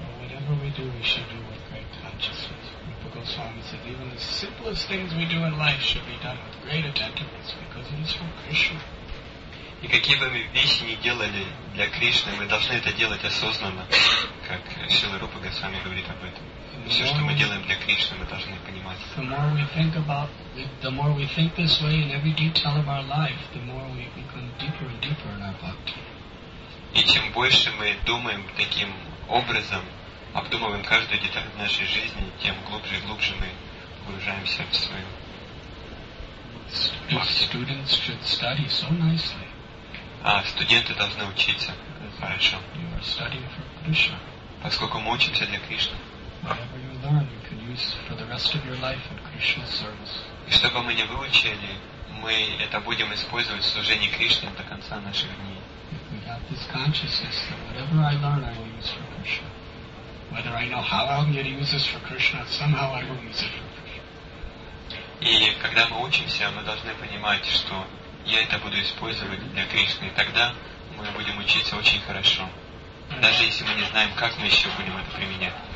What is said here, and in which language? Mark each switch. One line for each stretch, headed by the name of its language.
English: whatever we do, we should do with great consciousness. Rupa Goswami said, even the simplest things we do in life should be done with great attentiveness because it is from Krishna.
Russian: И какие бы мы вещи ни делали для Кришны, мы должны это делать осознанно, как Шрила Рупа Госвами говорит об этом. Все, что мы делаем для Кришны, мы должны понимать.
English: The more we think about, the more we think this way in every detail of our life, the more we become deeper and deeper in our bhakti.
Russian: И чем больше мы думаем таким образом, обдумываем каждую деталь нашей жизни, тем глубже и глубже мы погружаемся в свою
English: бхакти. Students should study so nicely.
Russian: А студенты должны учиться хорошо.
English: You are studying for Krishna.
Russian: Поскольку мы учимся для Кришны.
English: Whatever you learn, you can use for the rest of your life in Krishna's service.
Russian: И что бы мы ни выучили, мы это будем использовать в служении Кришне до конца наших дней.
English: If we have this consciousness that whatever I learn, I will use for Krishna. Whether I know how I'm going to use this for Krishna, somehow I will use it for Krishna.
Russian: И когда мы учимся, мы должны понимать, что я это буду использовать для Кришны, и тогда мы будем учиться очень хорошо. Даже если мы не знаем, как мы еще будем это применять.